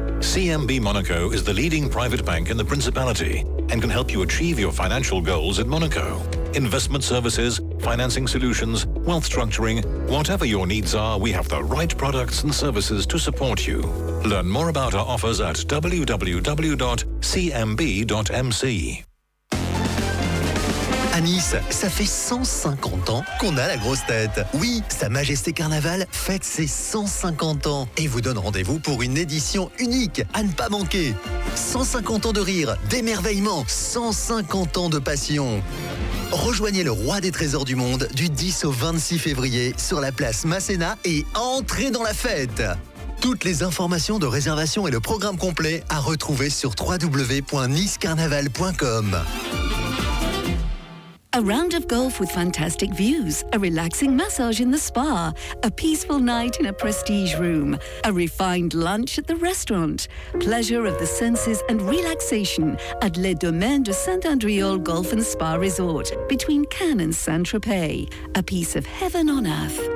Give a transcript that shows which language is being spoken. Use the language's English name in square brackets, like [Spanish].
[English] CMB Monaco is the leading private bank in the Principality and can help you achieve your financial goals in Monaco. Investment services, financing solutions, wealth structuring, whatever your needs are, we have the right products and services to support you. Learn more about our offers at www.cmb.mc. [French] À Nice, ça fait 150 ans qu'on a la grosse tête. Oui, Sa Majesté Carnaval fête ses 150 ans et vous donne rendez-vous pour une édition unique à ne pas manquer. 150 ans de rire, d'émerveillement, 150 ans de passion. Rejoignez le roi des trésors du monde du 10 au 26 février sur la place Masséna et entrez dans la fête. Toutes les informations de réservation et le programme complet à retrouver sur www.nicecarnaval.com. [English] A round of golf with fantastic views, a relaxing massage in the spa, a peaceful night in a prestige room, a refined lunch at the restaurant, pleasure of the senses and relaxation at Les Domaines de Saint-Andriol Golf and Spa Resort between Cannes and Saint-Tropez, a piece of heaven on earth.